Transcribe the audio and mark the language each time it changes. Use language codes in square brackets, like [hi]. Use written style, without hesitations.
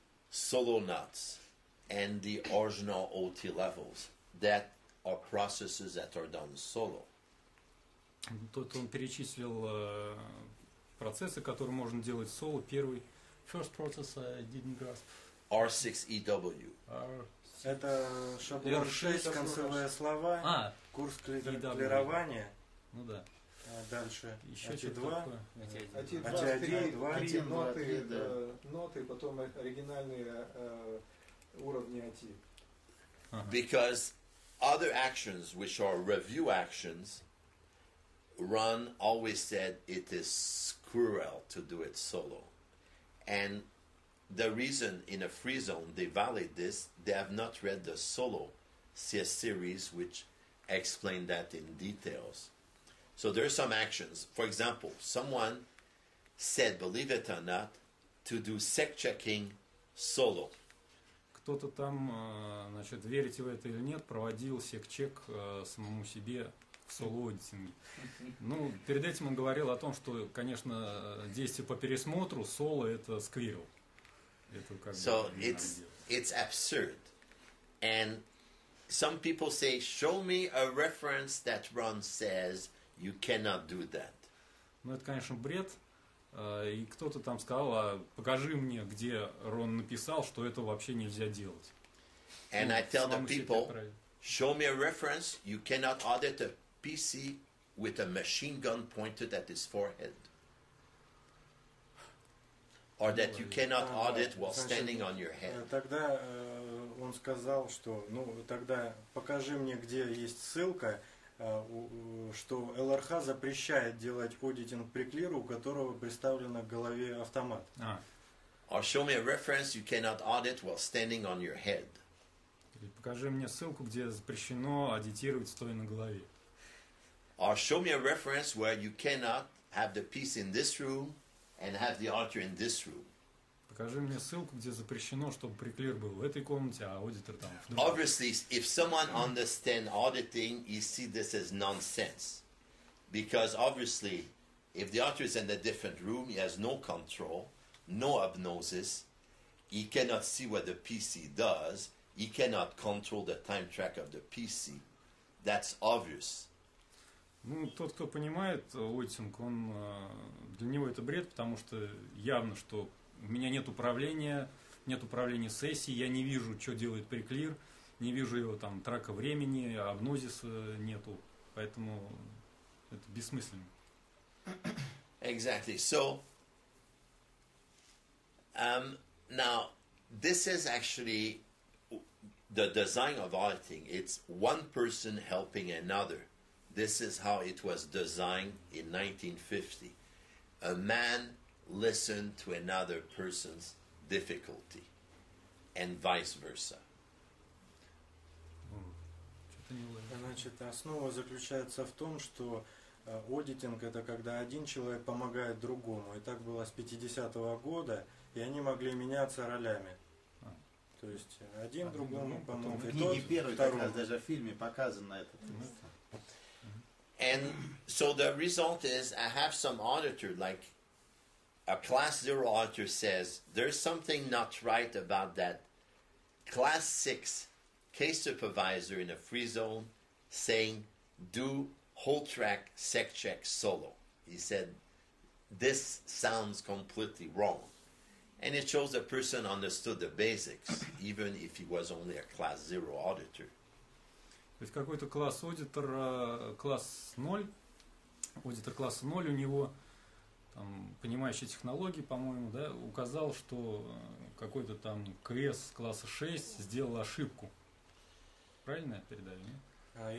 [en] Solo knots and the original OT levels that are processes that are done solo. [ru] Тут он перечислил процессы, которые можно делать solo. Первый, [en] first process I didn't grasp. R6EW. [ru] Это шаблон 6, концевые слова, курс клирования. Ну да. Дальше. Еще А2. АТ2, ноты, потом оригинальные уровни АТ. [en] Because other actions, which are review actions, Ron always said it is squirrel to do it solo. And the reason in a free zone they validate this, they have not read the solo CS series, which explained that in details. So there are some actions. For example, someone said, believe it or not, to do sec checking solo. [ru] Кто-то там, значит, верите в это или нет, проводил сек-чек самому себе в соло-аудитинге. Ну, перед этим он говорил о том, что, конечно, действие по пересмотру соло это сквирл. Это как бы. [en] So it's absurd. And some people say, show me a reference that Ron says you cannot do that. [ru] Ну, это, конечно, бред. И кто-то там сказал, а покажи мне, где Рон написал, что это вообще нельзя делать. [en] And I tell the people, show me a reference, you cannot audit a PC with a machine gun pointed at his forehead. Or that you cannot audit while standing on your head. [ru] Тогда он сказал, что, ну, тогда покажи мне, где есть ссылка, что ЛРХ запрещает делать аудитинг приклиру, у которого представлен к голове автомат. [en] Or show me a reference you cannot audit while standing on your head. [ru] Или покажи мне ссылку, где запрещено аудитировать стоя на голове. [en] Or show me a reference where you cannot have the piece in this room and have the auditor in this room. [ru] Покажи мне ссылку, где запрещено, чтобы приклир был в этой комнате, а аудитор там. [en] Obviously, if someone understands auditing, he sees this as nonsense. Because obviously, if the auditor is in a different room, he has no control, no hypnosis, he cannot see what the PC does, he cannot control the time track of the PC. That's obvious. [ru] Ну, тот, кто понимает аудитинг, он для него это бред, потому что явно, что у меня нет управления сессией, я не вижу, что делает приклир, не вижу его там трака времени, агнозиса нету, поэтому это бессмысленно. [en] Exactly. So, now, this is actually the design of auditing. It's one person helping another. This is how it was designed in 1950. A man listen to another person's difficulty and vice versa. [ru] Значит, основа заключается в том, что аудитинг — это когда один человек помогает другому. И так было с 50-го года, и они могли меняться ролями. То есть один другому помог, и тот первый, второму. Как раз даже в фильме показано это. [en] And so the result is, I have some auditor, like a class zero auditor says, there's something not right about that class six case supervisor in a free zone saying, do whole track sec check solo. He said, this sounds completely wrong. And it shows the person understood the basics, even if he was only a class zero auditor. [ru] То есть какой-то класс аудитор, класс 0, аудитор класса 0, у него там понимающие технологии, по-моему, да, указал, что какой-то там КС класса 6 сделал ошибку. Правильно я передаю, нет?